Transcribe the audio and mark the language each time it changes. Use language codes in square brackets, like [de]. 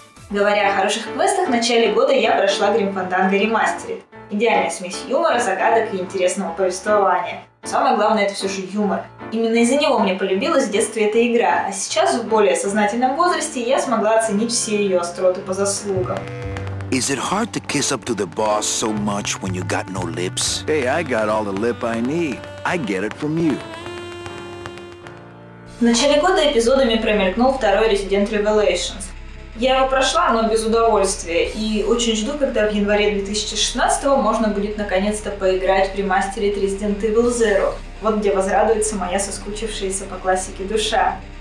[ru] Говоря о хороших квестах, в начале года я прошла Grim Fandango Remastered. Идеальная смесь юмора, загадок и интересного повествования. Самое главное, это все же юмор. Именно из-за него мне полюбилась в детстве эта игра, а сейчас, в более сознательном возрасте, я смогла оценить все ее остроты по заслугам. [en] Is it hard to kiss up to the boss so much when you got no lips? Hey, I got all the lip I need. I get it from you. [ru] В начале года эпизодами промелькнул второй Resident Revelations. Я его прошла, но без удовольствия, и очень жду, когда в январе 2016 можно будет наконец-то поиграть в ремастере Resident Evil Zero, вот где возрадуется моя соскучившаяся по классике душа.